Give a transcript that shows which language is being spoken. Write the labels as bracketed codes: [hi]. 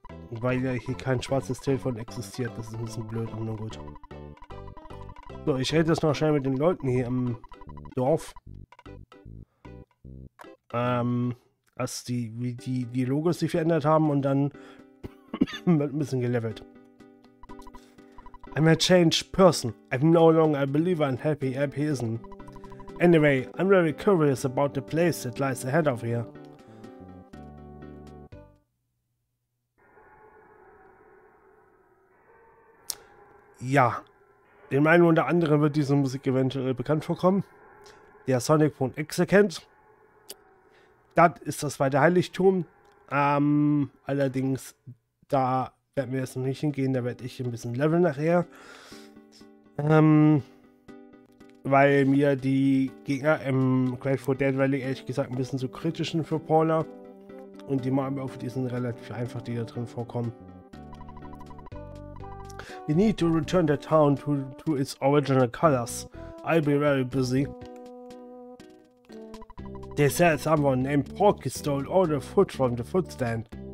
[de] Weil ja hier kein schwarzes Telefon existiert. Das ist ein bisschen blöd, aber nur gut. So, ich rede jetzt noch schnell mit den Leuten hier im Dorf. Als die, wie die Dialoge sich verändert haben und dann wird ein bisschen gelevelt. [en] I'm a changed person. I'm no longer a believer in happy atheism. Anyway, I'm very curious about the place that lies ahead of here. [de] Ja. Dem einen oder anderen wird diese Musik eventuell bekannt vorkommen. Der Sonic.exe kennt. Das ist das zweite Heiligtum. Allerdings, da werden wir jetzt noch nicht hingehen. Da werde ich ein bisschen Level nachher. Weil mir die Gegner im Grateful Dead Valley ehrlich gesagt ein bisschen zu kritisch sind für Paula. Und die Mobs auf diesen relativ einfach, die da drin vorkommen. [en] We need to return the town to its original colors. I'll be very busy. They said someone named Porky stole all the food from the food stand.